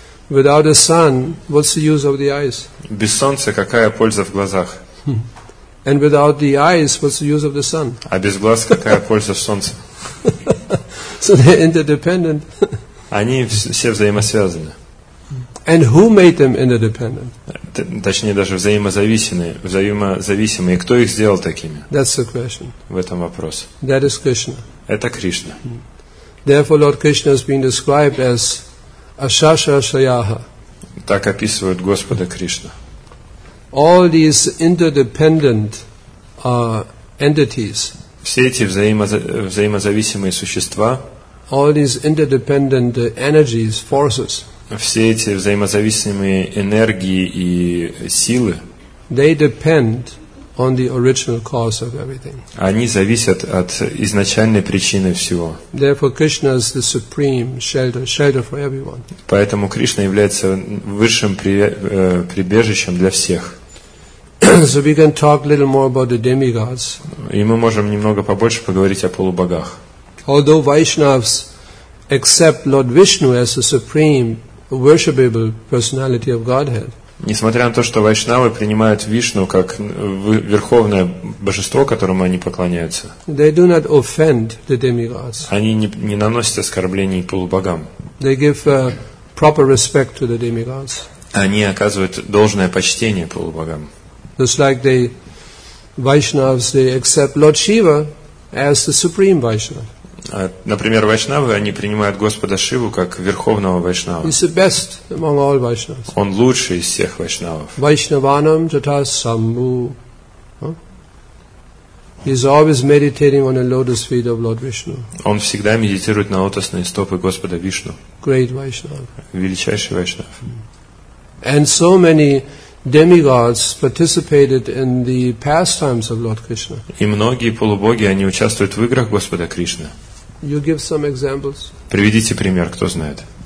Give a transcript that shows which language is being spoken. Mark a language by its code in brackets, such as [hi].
[en] Without the sun, what's the use of the eyes? [ru] Без солнца какая польза в глазах? [en] And without the eyes, what's the use of the sun? [ru] А без глаз какая польза в солнце? [en] So they're interdependent. [ru] Они все взаимосвязаны. [en] And who made them interdependent? [ru] Точнее, даже взаимозависимые. Кто их сделал такими? [en] That's the question. [ru] В этом вопрос. [en] That is Krishna. [ru] Это Кришна. [en] Therefore, Lord Krishna has been described as Ashashashayaha. [ru] Так описывают Господа Кришна. [en] All these interdependent entities. [ru] Все эти взаимозависимые существа. [en] All these interdependent energies, forces. [ru] Все эти взаимозависимые энергии и силы. [en] They depend on the original cause of everything. [ru] Они зависят от изначальной причины всего. [en] Therefore, Krishna is the supreme shelter for everyone. [ru] Поэтому Кришна является высшим прибежищем для всех. [en] So we can talk a little more about the demigods. [ru] И мы можем немного побольше поговорить о полубогах. [en] Although Vaishnavas accept Lord Vishnu as the supreme worshipable personality of Godhead. [ru] Несмотря на то, что вайшнавы принимают Вишну как верховное божество, которому они поклоняются, [en] they do not offend the demigods. [ru] Они не наносят оскорблений полубогам. [en] They give proper respect to the demigods. [ru] Они оказывают должное почтение полубогам. [en] Just like they, Vaishnavas, they accept Lord Shiva as the supreme Vaishnava. [ru] Например, вайшнавы, они принимают Господа Шиву как верховного вайшнава. [en] He's the best among all Vaishnavas. [ru] Он лучший из всех вайшнавов. [sa] Vaishnavanam tata sambhu. [en] He's always meditating on the lotus feet of Lord Vishnu. [ru] Он всегда медитирует на лотосные стопы Господа Вишну. [en] Great Vaishnava. [ru] Величайший вайшнав. [en] And so many demigods participated in the pastimes of Lord Krishna. [ru] И многие полубоги, они участвуют в играх Господа Кришны. [en] You give some examples. [ru] Приведите пример, кто знает.